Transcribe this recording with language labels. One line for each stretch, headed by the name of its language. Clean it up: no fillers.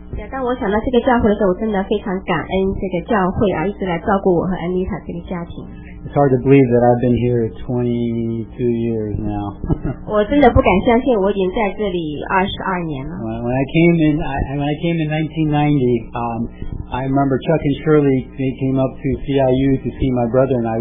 Chinese: 当我想到这个教会的时候，我真的非常感恩这个教会啊，一直来照顾我和安妮塔这个家庭。
English: It's hard to believe that I've been here 22 years now.
Chinese: 我真的不敢相信，我已经在这里22年了。
English: When I came in 1990, I remember Chuck and Shirley, they came up to CIU to see my brother and I.